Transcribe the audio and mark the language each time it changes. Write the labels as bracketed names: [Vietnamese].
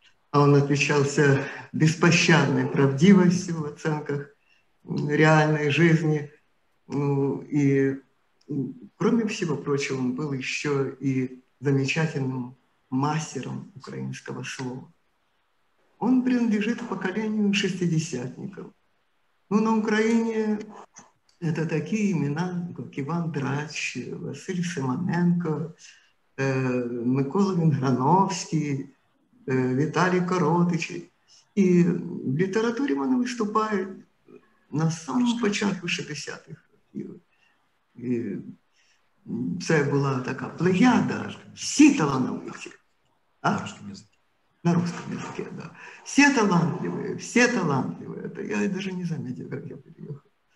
[Russian] А он отличался беспощадной правдивостью в оценках реальной жизни. Ну, и, кроме всего прочего, он был еще и замечательным мастером украинского слова. Он принадлежит поколению шестидесятников. Ну, на Украине это такие имена, как Иван Драч, Василь Симоненко, Микола Вінграновський, Віталій Коротичий. [Ukrainian] І в літературі вони виступають на самому початку 60-х років. І це була така плеяда, всі талановиті. [Russian] На русском языке, да. Все талантливые, все талантливые. Это я даже не заметил, как я переехал.